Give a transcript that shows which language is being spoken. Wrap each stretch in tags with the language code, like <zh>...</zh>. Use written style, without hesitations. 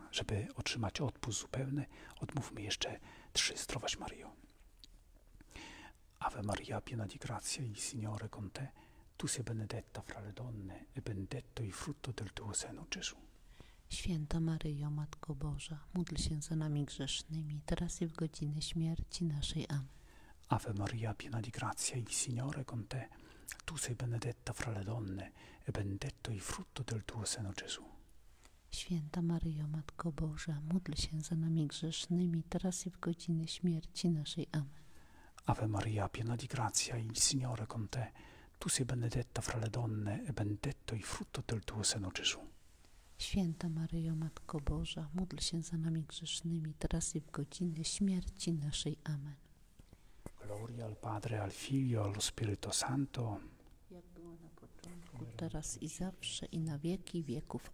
<pl>Żeby otrzymać odpust zupełny, odmówmy jeszcze trzy Zdrowaś Mario.</pl> <it>Ave Maria, piena di grazia, il Signore con te. Tu sei benedetta fra le donne, e benedetto il frutto del tuo seno, Gesù.</it> <pl>Święta Maryjo, Matko Boża, módl się za nami grzesznymi, teraz i w godzinę śmierci naszej. Amen.</pl> <it>Ave Maria, piena di grazia, il Signore con te. Tu sei benedetta fra le donne, e benedetto il frutto del tuo seno, Gesù.</it> <pl>Święta Maryjo, Matko Boża, módl się za nami grzesznymi, teraz i w godzinę śmierci naszej. Amen.</pl> <it>Ave Maria, piena di grazia, il Signore con te. Tu sei benedetta fra le donne, e benedetto il frutto del tuo seno, Gesù.</it> <pl>Święta Maryjo, Matko Boża, módl się za nami grzesznymi, teraz i w godzinę śmierci naszej. Amen.</pl> <it>Gloria al Padre, al Figlio, allo Spirito Santo.</it> <pl>Jak było na początku, teraz i zawsze, i na wieki wieków.</pl>